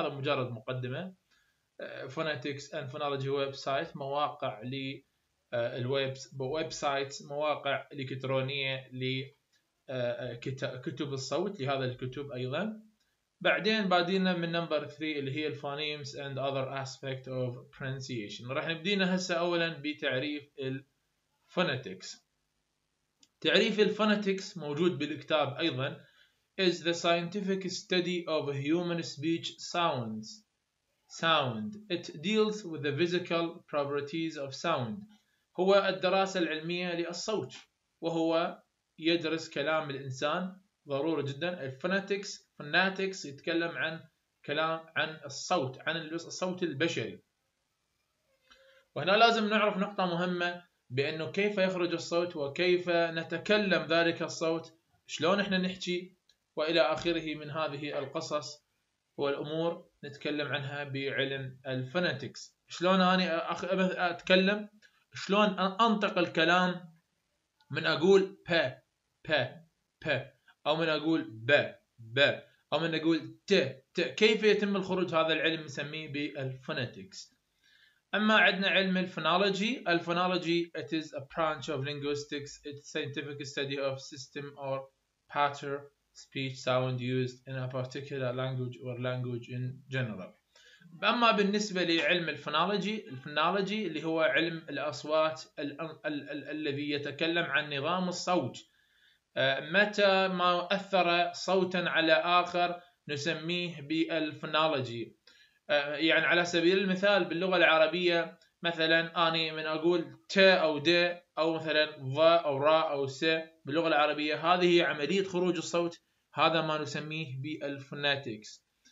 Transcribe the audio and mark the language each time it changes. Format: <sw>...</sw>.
<ar>هذا مجرد مقدمه. Phonetics and Phonology ويب سايت، مواقع للويب، ويب سايت مواقع الكترونيه لكتب الصوت، لهذا الكتب ايضا. بعدين بادينا من نمبر 3 اللي هي</ar> <en>الفونيمز and other aspect of pronunciation.</en> <ar>راح نبدينا هسه اولا بتعريف الفونيتكس. تعريف الفونيتكس موجود بالكتاب ايضا.</ar> <en>is the scientific study of human speech sounds. sound it deals with the physical properties of sound.</en> <ar>هو الدراسة العلمية للصوت، وهو يدرس كلام الانسان. ضرورة جدا الفونيتكس. فوناتكس يتكلم عن كلام، عن الصوت، عن الصوت البشري. وهنا لازم نعرف نقطة مهمة، بأنه كيف يخرج الصوت وكيف نتكلم ذلك الصوت، شلون احنا نحكي وإلى آخره من هذه القصص والأمور نتكلم عنها بعلم الفونيتكس. شلون أنا أتكلم، شلون أنطق الكلام، من أقول ب ب ب أو من أقول ب ب أو من أقول ت ت، كيف يتم الخروج. هذا العلم نسميه بالفونيتكس. أما عندنا علم الفونولوجي، الفونولوجي</ar> <en>it is a branch of linguistics. It's a scientific study of system or pattern speech sound used in a particular language or language in general.</en> <ar>أما بالنسبة لعلم الفونولوجي، الفونولوجي اللي هو علم الأصوات الذي يتكلم عن نظام الصوت، متى ما أثر صوتا على آخر نسميه بالفونولوجي. يعني على سبيل المثال باللغة العربية، مثلا أنا من أقول ت أو د أو مثلا ظ أو را أو س باللغة العربية، هذه عملية خروج الصوت، هذا ما نسميه بالفوناتكس.</ar>